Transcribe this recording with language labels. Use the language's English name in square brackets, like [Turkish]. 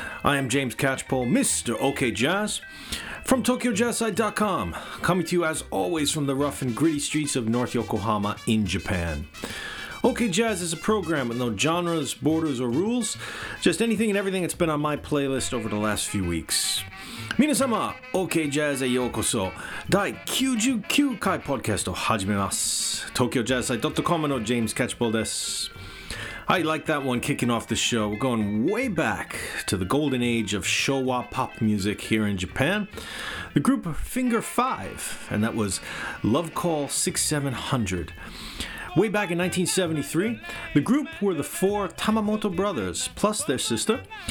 [English] I am James Catchpole, Mr. OK Jazz, from TokyoJazzSide.com, coming to you as always from the rough and gritty streets of North Yokohama in Japan. OK Jazz is a program with no genres, borders, or rules, just anything and everything that's been on my playlist over the last few weeks. [Japanese] 皆様、OK Jazz へようこそ。第99回ポッドキャストを始めます。 TokyoJazzSide.com のジェームズ・キャッチボールです。 [English] I like that one kicking off the show. We're going way back to the golden age of Showa pop music here in Japan. The group Finger Five, and that was Love Call 6700. Way back in 1973, the group were the four Tamamoto brothers, plus their sister.